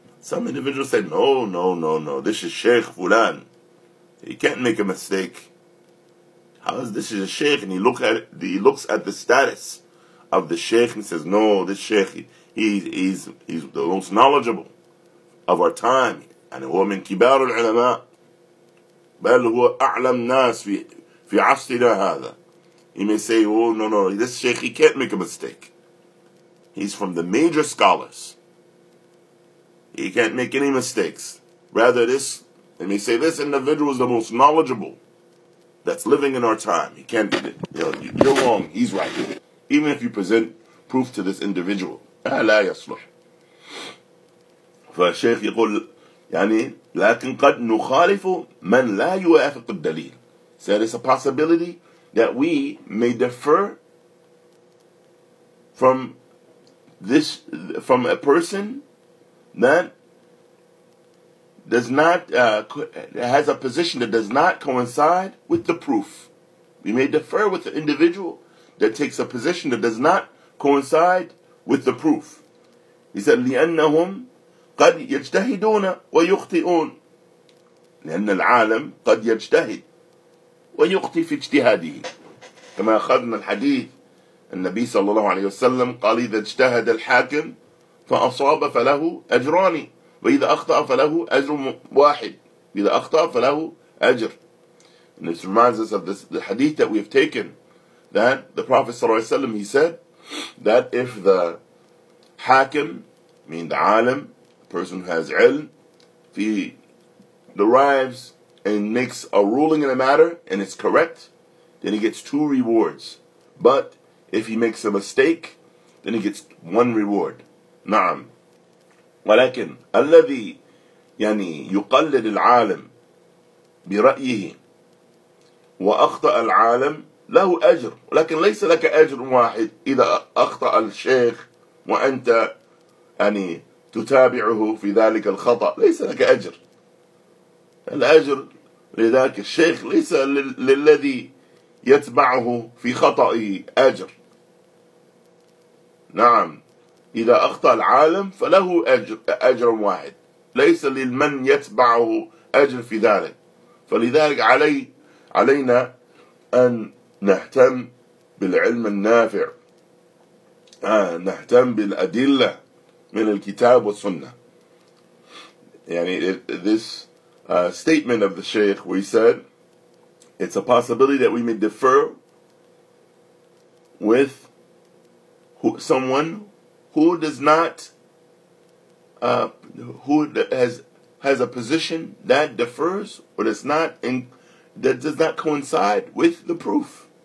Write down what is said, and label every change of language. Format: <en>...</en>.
<en>Some individuals say, no, this is Sheikh Fulan. He can't make a mistake. How is this is a sheikh, and he looks at the status of the sheikh and says, no, this sheikh, he's the most knowledgeable of our time. And</en> <ar>هو من كبار العلماء بل هو أعلم ناس في عصرنا هذا.</ar> <en>He may say, oh, no, this sheikh, he can't make a mistake. He's from the major scholars. He can't make any mistakes. Rather, this, let me say, this individual is the most knowledgeable that's living in our time. He can't be. You're wrong. He's right. Even if you present proof to this individual,</en> <ar>لا يصلح. فالشيخ يقول يعني لكن قد نخالف من لا يوافق الدليل.</ar> <en>So it's a possibility that we may differ from this, from a person that does not has a position that does not coincide with the proof. We may differ with the individual that takes a position that does not coincide with the proof. He said,</en> <ar>لأنهم قد يجتهدون ويخطئون. لأن العالم قد يجتهد ويخطئ في اجتهاده. كما أخذنا الحديث النبي صلى الله عليه وسلم قال إذا اجتهد الحاكم فأصاب فله أجران وإذا أخطأ فله أجر واحد. إذا أخطأ فله أجر.</ar> <en>And this reminds us of this, the hadith that we have taken, that the Prophet</en> <ar>صلى الله عليه وسلم,</ar> <en>he said that if the حاكم, meaning the عالم, the person who has علم, if he derives and makes a ruling in a matter and it's correct, then he gets two rewards. But if he makes a mistake, then he gets one reward.</en> <ar>نعم. ولكن الذي يعني يقلد العالم برأيه وأخطأ العالم له أجر. ولكن ليس لك أجر واحد إذا أخطأ الشيخ وأنت يعني تتابعه في ذلك الخطأ. ليس لك أجر. الأجر لذلك الشيخ ليس للذي يتبعه في خطأه أجر. نعم. إذا أخطأ العالم فله أجر واحد. ليس للمن يتبعه أجر في ذلك. فلذلك علينا أن نهتم بالعلم النافع. نهتم بالأدلة من الكتاب والسنة.</ar> <en>يعني this statement of the Shaykh, we said, it's a possibility that we may differ with someone who does not, who has a position that differs or does not, in, that does not coincide with the proof.</en>